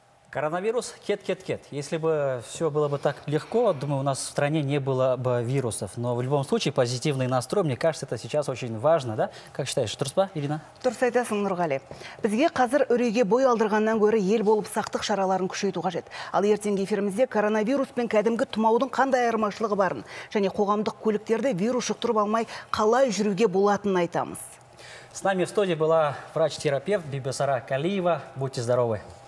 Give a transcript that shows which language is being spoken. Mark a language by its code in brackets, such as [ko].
[ru] Коронавирус [kk] кет-кет-кет. [ru] Если бы все было бы так легко, думаю, у нас в стране не было бы вирусов. Но в любом случае позитивный настрой, мне кажется, это сейчас очень важно, да? Как считаешь, Турспа, Ирина? [kk] Турсайтасын, Нұрғали. Бізге қазір үреге бой алдырғаннан көрі ел болып сақтық шараларын күшейту қажет. Ал ертеңгі эфирімізде коронавирус пен кәдімгі тұмаудың қандай айырмашылығы барын, және қоғамдық көліктерді вирус жұқтырып алмай қалай жүруге болатынын айтамыз. [ru] С нами в студии была врач-терапевт Бибісара Калиева. Будьте здоровы.